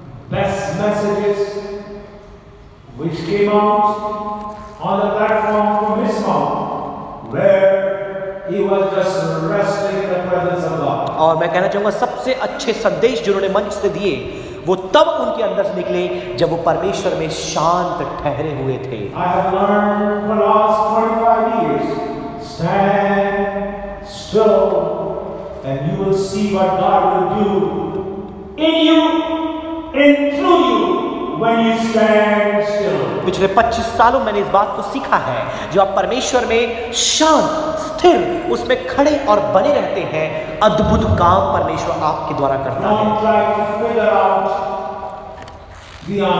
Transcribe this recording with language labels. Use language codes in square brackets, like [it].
[en] Best messages which came out on the platform from his mouth, where he was just resting in the presence of God. [hi] और मैं कहना चाहूंगा सबसे अच्छे संदेश जो उन्होंने मंच से दिए वो तब उनके अंदर से निकले जब वो परमेश्वर में शांत ठहरे हुए थे। [en] I have learned for the last 25 years, stand still and you will see what God will do in you. [hi] पिछले 25 सालों मैंने इस बात को सीखा है, जो आप परमेश्वर में शांत स्थिर उसमें खड़े और बने रहते हैं, अद्भुत काम परमेश्वर आपके द्वारा करता है।